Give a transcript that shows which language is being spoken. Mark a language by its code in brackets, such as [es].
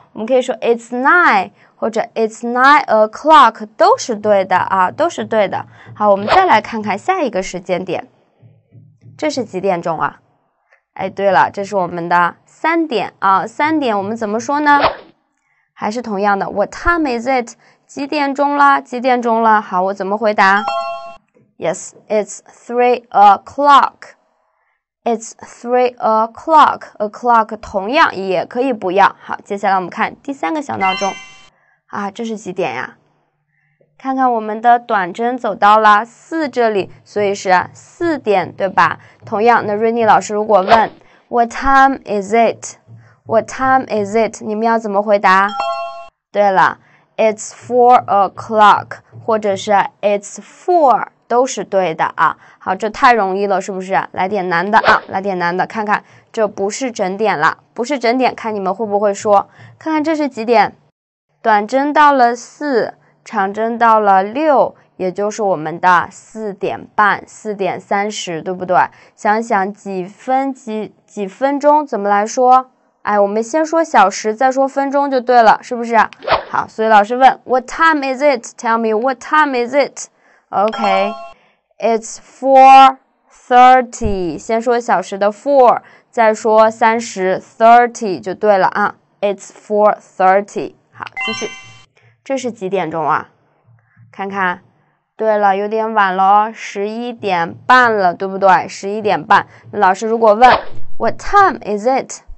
[zh] 我们可以说 it's 9, 或者 it's 9 o'clock, 都是对的啊,都是对的。好,我们再来看看下一个时间点。这是几点钟啊? 哎，对了，这是我们的三点啊，三点我们怎么说呢？ [en] 还是同样的 ，What time is it？ [zh] 几点钟啦？几点钟了？ [en] 好，我怎么回答？Yes, it's 3 o'clock. It's 3 o'clock. [zh] O'clock 同样也可以不要。好，接下来我们看第三个小闹钟啊，这是几点呀？看看我们的短针走到了四这里，所以是四点，对吧？同样，那瑞妮老师如果问 What time is it? [en] What time is it? 你们要怎么回答？ [zh] 对了 ， It's 4 o'clock，或者是 It's 4，都是对的啊。好，这太容易了，是不是？来点难的啊，来点难的，看看这不是整点了，不是整点，看你们会不会说？看看这是几点？短针到了四。长针到了六，也就是我们的四点半，四点三十，对不对？想想几分钟怎么来说？哎，我们先说小时，再说分钟就对了，是不是？好，所以老师问 What time is it? [en] Tell me what time is it? OK, it's 4:30. [zh] 先说小时的 4, 再说三十 30 就对了啊。 It's 4:30. 好，继续。这是几点钟啊？看看，对了，有点晚了，11:30了，对不对？ 11:30。老师如果问 What time is it?